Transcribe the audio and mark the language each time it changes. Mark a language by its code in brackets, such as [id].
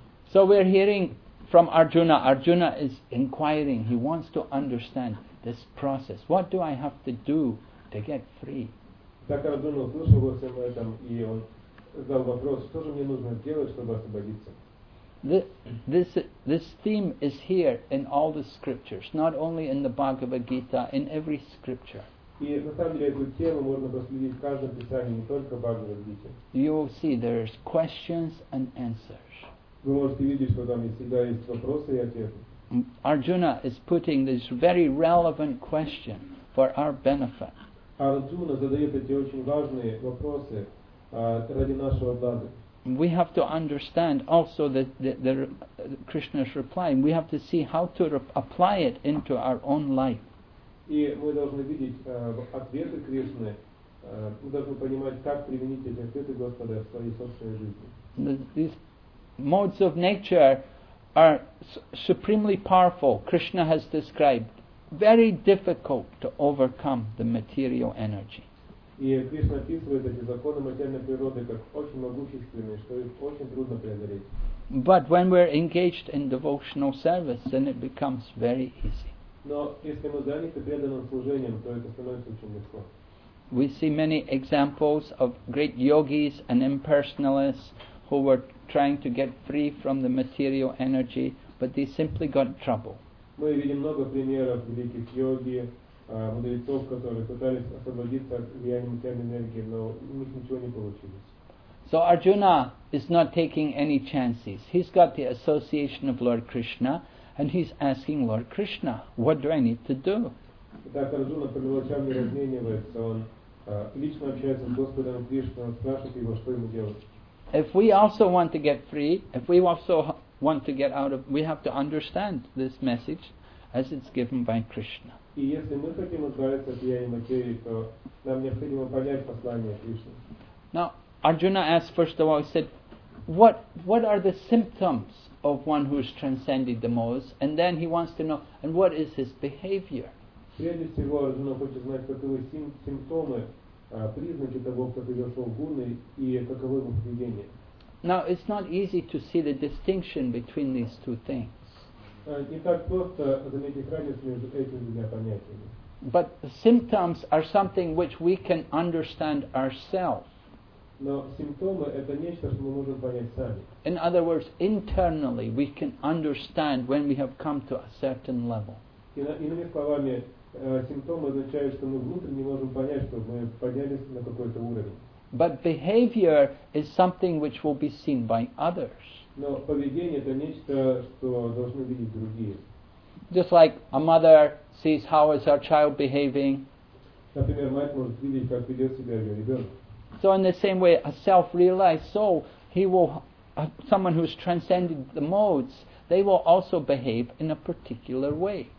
[en] So we're hearing from Arjuna. Arjuna is inquiring. He wants to understand this process. What do I have to do to get free? [ru] Так Арджуна услышал во всем этом, и он задал вопрос, что же мне нужно сделать, чтобы освободиться? [en] This theme is here in all the scriptures, not only in the Bhagavad Gita, in every scripture. [ru] И на самом деле эту тему можно проследить в каждом писании, не только в Бхагавад Гите. [en] You will see there's questions and answers. [ru] Вы можете видеть, что там всегда есть вопросы и ответы. [en] Arjuna is putting this very relevant question for our benefit. [ru] Арджуна задает эти очень важные вопросы ради нашего блага. [en] we have to understand also the Krishna's reply. We have to see how to apply it into our own life. [ru] И мы должны видеть ответы Кришны. Мы должны понимать, как применить эти ответы Господа в своей собственной жизни. [en] These modes of nature are supremely powerful. Krishna has described very difficult to overcome the material energy. [ru] И Кришна описывает эти законы материальной природы как очень могущественные, что их очень трудно преодолеть. [en] But when we're engaged in devotional service, then it becomes very easy. [ru] Но если мы заняты преданным служением, то это становится очень легко. [en] We see many examples of great yogis and impersonalists who were trying to get free from the material energy, but they simply got in trouble. [ru] Мы видим много примеров великих йоги, мудрецов, которые пытались освободиться от влияния материальной энергии, но у них ничего не получилось. [en] So Arjuna is not taking any chances. He's got the association of Lord Krishna, and he's asking Lord Krishna, what do I need to do? [ru] Итак, Арджуна по-мелочам не разменивается. Он лично общается с Господом Кришной, спрашивает его, что ему делать. [en] If we also want to get free, if we also want to get out of, we have to understand this message as it's given by Krishna. [ru] И если мы хотим избавиться от влияния материи, то нам необходимо понять послание Кришны. [en] Now, Arjuna asked first of all, he said, what are the symptoms of one who has transcended the modes? And then he wants to know, and what is his behavior? [ru] Прежде всего, Арджуна хочет знать, каковы симптомы, признаки того, кто перешел в гуны, и каково его поведение. [en] Now, it's not easy to see the distinction between these two things. [ru] Не так просто заметить разницу между этими двумя понятиями. [en] But symptoms are something which we can understand ourselves. [ru] Но симптомы – это нечто, что мы можем понять сами. [en] In other words, internally we can understand when we have come to a certain level. [ru] Иными словами, симптомы означают, что мы внутренне можем понять, что мы поднялись на какой-то уровень. [en] But behavior is something which will be seen by others. [ru] Но поведение – это нечто, что должны видеть другие. [en] Just like a mother sees how is her child behaving. [ru] Например, мать может видеть, как ведет себя ее ребенок. [en] So in the same way, a self-realized soul, someone who has transcended the modes, they will also behave in a particular way.